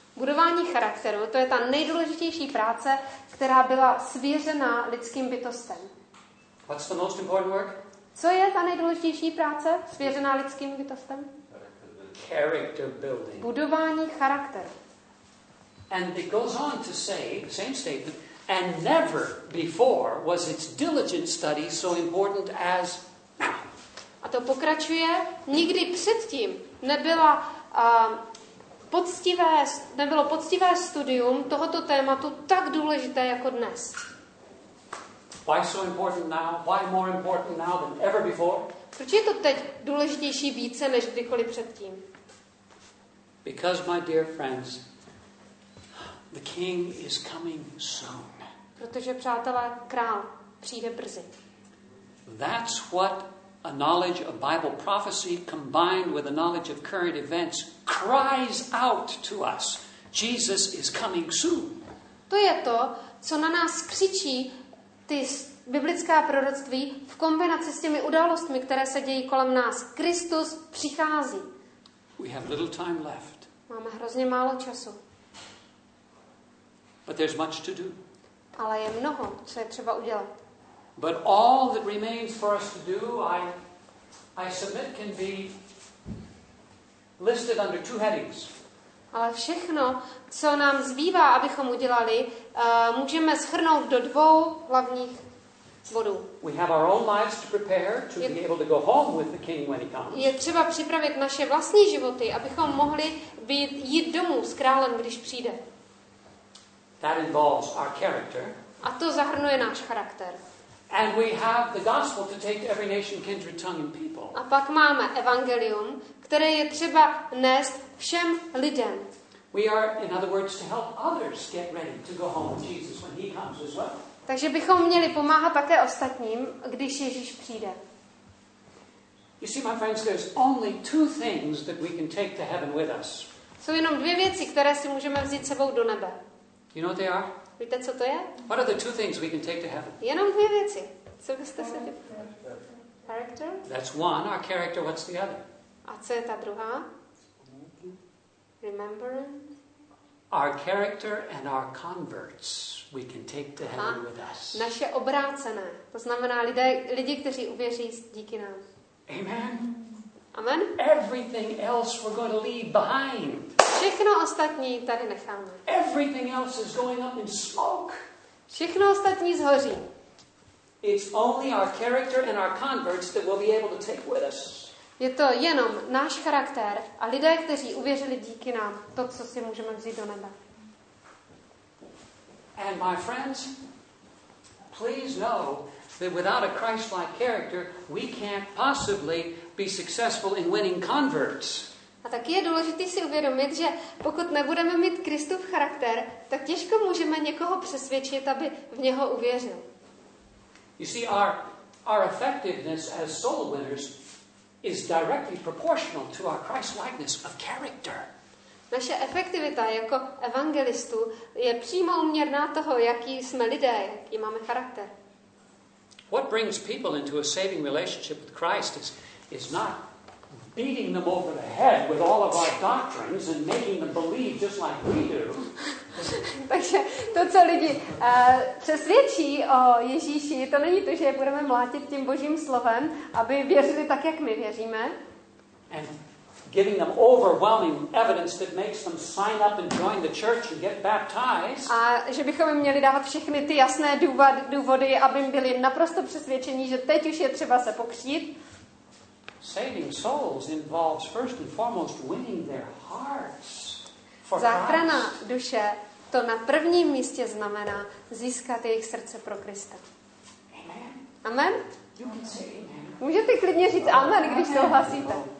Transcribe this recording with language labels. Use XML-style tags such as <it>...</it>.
<cs>Budování charakteru, to je ta nejdůležitější práce, která byla svěřena lidským bytostem.</cs> <en>What's the most important work?</en> <cs>Co je ta nejdůležitější práce svěřena lidským bytostem?</cs> <en>character building.</en> <cs>Budování charakteru.</cs> <en>And it goes on to say, same statement, and never before was its diligent study so important as now.</en> <cs>A to pokračuje, nikdy předtím nebyla poctivé, nebylo poctivé studium tohoto tématu tak důležité jako dnes.</cs> <en>Why so important now? Why more important now than ever before?</en> <cs>Proč je to teď důležitější více než kdykoliv předtím?</cs> <en>Because my dear friends, the king is coming soon.</en> <cs>Protože přátelé, král přijde brzy.</cs> <en>That's what a knowledge of Bible prophecy combined with a knowledge of current events cries out to us. Jesus is coming soon.</en> <cs>To je to, co na nás křičí ty biblická proroctví v kombinaci s těmi událostmi, které se dějí kolem nás. Kristus přichází.</cs> <en>We have little time left.</en> <cs>Máme hrozně málo času.</cs> <en>But there's much to do.</en> <cs>Ale je mnoho, co je třeba udělat.</cs> <en>But all that remains for us to do, I submit, can be listed under two headings.</en> <cs>Ale všechno, co nám zbývá, abychom udělali, můžeme shrnout do dvou hlavních bodů.</cs> <en>We have our own lives to prepare to be able to go home with the king when he comes.</en> <cs>Je třeba připravit naše vlastní životy, abychom mohli být jít domů s králem, když přijde.</cs> <en>That involves our character.</en> <cs>A to zahrnuje náš charakter.</cs> <en>And we have the gospel to take to every nation, kindred, tongue and people.</en> <cs>A pak máme evangelium, které je třeba nést všem lidem.</cs> <en>We are, in other words, to help others get ready to go home with Jesus when he comes as well.</en> <cs>Takže bychom měli pomáhat také ostatním, když Ježíš přijde.</cs> <en>You see, my friends, there's only two things that we can take to heaven with us.</en> <cs>Jsou jenom dvě věci, které si můžeme vzít sebou do nebe.</cs> <en>You know what they are?</en> <cs>Víte, co to je?</cs> <en>What are the two things we can take to heaven?</en> <cs>Jenom dvě věci. Co byste se dělali?</cs> <en>Character? That's one, our character, what's the other?</en> <cs>A co je ta druhá?</cs> <en>Remembrance? Our character and our converts we can take to heaven with us.</en> <cs>Naše obrácené, to znamená lidi, kteří uvěří díky nám.</cs> <en>Amen.</en> <cs>Amen.</cs> <en>Everything else we're going to leave behind.</en> <cs>Všechno ostatní tady necháme.</cs> <en>Everything else is going up in smoke.</en> <cs>Všechno ostatní zhoří.</cs> <en>It's only our character and our converts that we'll be able to take with us.</en> <cs>Je to jenom náš charakter a lidé, kteří uvěřili díky nám, to, co si můžeme vzít do nebe.</cs> <en>And my friends, please know that without a Christ-like character, we can't possibly be successful in winning converts.</en> <cs>A taky je důležité si uvědomit, že pokud nebudeme mít Kristův charakter, tak těžko můžeme někoho přesvědčit, aby v něho uvěřil.</cs> <en>You see, our effectiveness as soul winners is directly proportional to our Christ-likeness of character.</en> <cs>Naše efektivita jako evangelistů je přímo uměrná toho, jaký jsme lidé, jaký máme charakter.</cs> <en>What brings people into a saving relationship with Christ is not beating them over the head with all of our doctrines and making them believe just like we do.</en> <cs>Takže to, co lidi přesvědčí o Ježíši, to není to, že je budeme mlátit tím Božím slovem, aby věřili tak, jak my věříme.</cs> <en>And giving them overwhelming evidence that makes them sign up and join the church and get baptized.</en> <cs>A že bychom jim měli dávat všechny ty jasné důvody, aby jim byli naprosto přesvědčení, že teď už je třeba se pokřít.</cs> <en>Saving souls involves first and foremost winning their hearts.</en> <cs>Záchrana duše to na prvním místě znamená získat jejich srdce pro Krista.</cs> <en>Amen.</en> <cs>Amen. Můžete klidně říct amen, když souhlasíte.</cs>